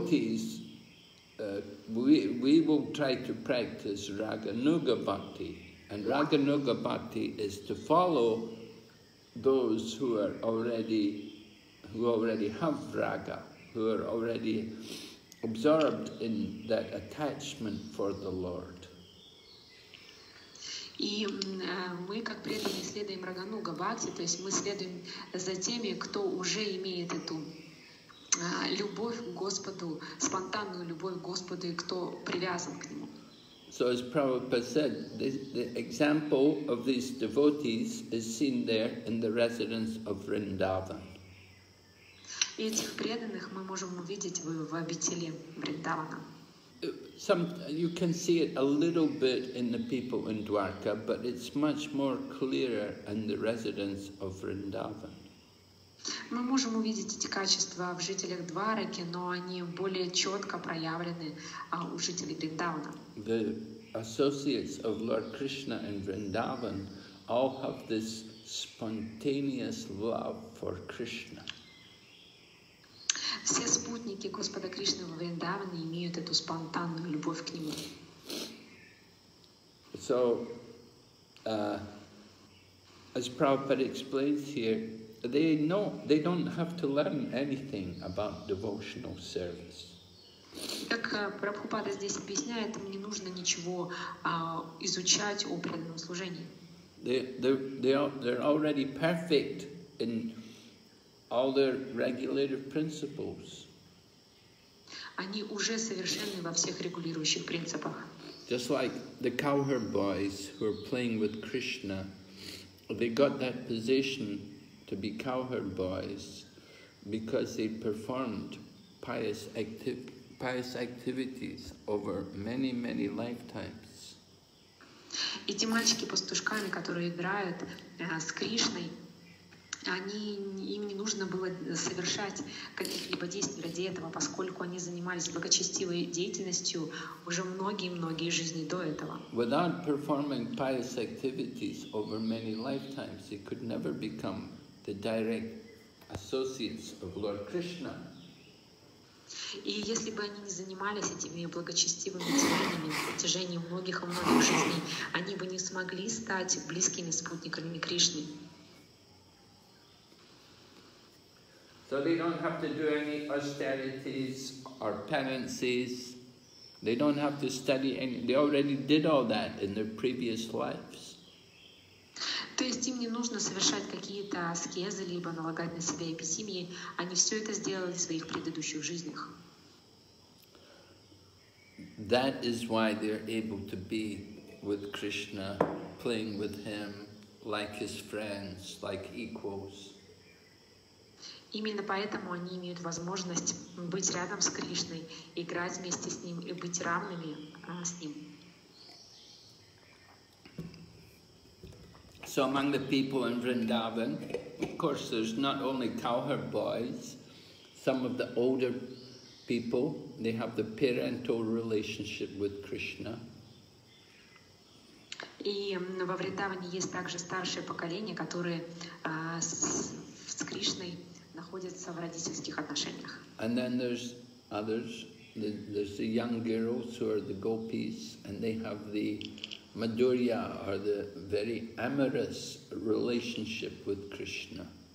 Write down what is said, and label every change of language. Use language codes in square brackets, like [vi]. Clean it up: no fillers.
[en] We, the devotees, will try to practice Raganuga Bhakti, and Raganuga Bhakti is to follow those who already have Raga, who are already absorbed in that attachment for the Lord. [ru] И мы, как преданные, следуем Рагануга Бхакти, то есть мы следуем за теми, кто уже имеет эту любовь к Господу, спонтанную любовь к Господу, и кто привязан к Нему. [en] So, as Prabhupada said, the example of these devotees is seen there in the residence of Vrindavan. [ru] И этих преданных мы можем увидеть в обители Вриндавана. [en] Some you can see it a little bit in the people in Dwarka, but it's much more clearer in the residents of Vrindavan. [ru] Мы можем увидеть эти качества в жителях Двараки, но они более четко проявлены у жителей Вриндавана. [en] The associates of Lord Krishna in Vrindavan all have this spontaneous love for Krishna. [ru] Все спутники Господа Кришны в Вриндаване имеют эту спонтанную любовь к Нему. [en] So, as Prabhupada explains here, they don't have to learn anything about devotional service. [ru] Как Прабхупада здесь объясняет, им не нужно ничего изучать о преданном служении. [en] They're already perfect in all their regulative principles. [ru] Они уже совершенны во всех регулирующих принципах. [en] Just like the cowherd boys who are playing with Krishna, they got that position to be cowherd boys because they performed pious activities over many, many lifetimes. [ru] И те мальчики пастушками, которые играют с Кришной, они, им не нужно было совершать каких-либо действий ради этого, поскольку они занимались благочестивой деятельностью уже многие-многие жизни до этого. [en] Without performing pious activities over many lifetimes, they could never become the direct associates of Lord Krishna. [ru] И если бы они не занимались этими благочестивыми деяниями на протяжении многих и многих жизней, они бы не смогли стать близкими спутниками Кришны. [en] So they don't have to do any austerities or penances. They don't have to study any. They already did all that in their previous lives. [ru] То есть им не нужно совершать какие-то аскезы либо налагать на себя эпитимии. Они все это сделали в своих предыдущих жизнях. [en] That is why they are able to be with Krishna, playing with him, like his friends, like equals. [ru] Именно поэтому они имеют возможность быть рядом с Кришной, играть вместе с ним и быть равными с ним. [en] So among the people in Vrindavan, of course, there's not only cowherd boys, some of the older people, they have the parental relationship with Krishna. [ru] И во Вриндаване есть также старшее поколение, которые с Кришной находятся в родительских отношениях. [en] And then there's others, there's the young girls who are the gopis, and they have the Madhurya, or the very amorous relationship with Krishna.